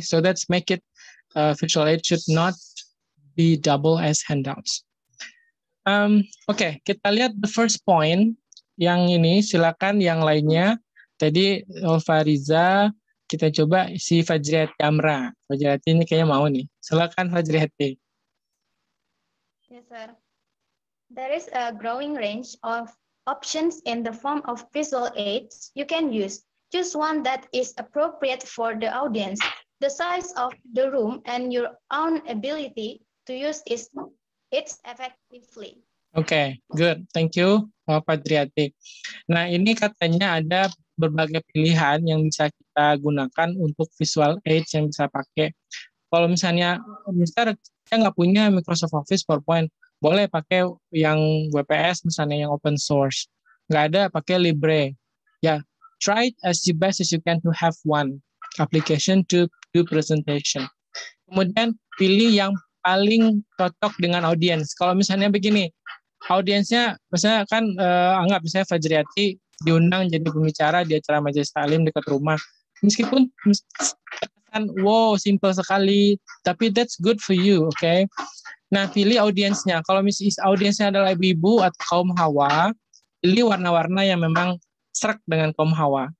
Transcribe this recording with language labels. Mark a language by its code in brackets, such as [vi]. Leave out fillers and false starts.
[en] So that's make it visual aid should not be double as handouts. Okay, [id] kita lihat [en] the first point. [id] Yang ini silakan yang lainnya. Tadi Alfariza, kita coba si Fajriati Amra. Fajriati ini kayaknya mau nih. Silakan Fajriati. [en] Yes, sir. There is a growing range of options in the form of visual aids you can use. Choose one that is appropriate for the audience. The size of the room and your own ability to use it effectively. Okay, good. Thank you, Fajriati. [id] Nah, ini katanya ada berbagai pilihan yang bisa kita gunakan untuk visual aid yang bisa pakai. Kalau misalnya, saya nggak punya Microsoft Office PowerPoint, boleh pakai yang WPS, misalnya yang open source. Nggak ada, pakai Libre. [en] Ya, try it as the best as you can to have one application to do presentation. [id] Kemudian, pilih yang paling cocok dengan audiens. Kalau misalnya begini, audiensnya, misalnya kan anggap misalnya Fajriati, diundang jadi pembicara di acara majelis taklim dekat rumah. Meskipun akan wow, simple sekali, tapi [en] that's good for you, [id] oke? Okay? Nah, pilih audiensnya. Kalau misalnya audiensnya adalah ibu-ibu atau kaum hawa, pilih warna-warna yang memang serak dengan kaum hawa.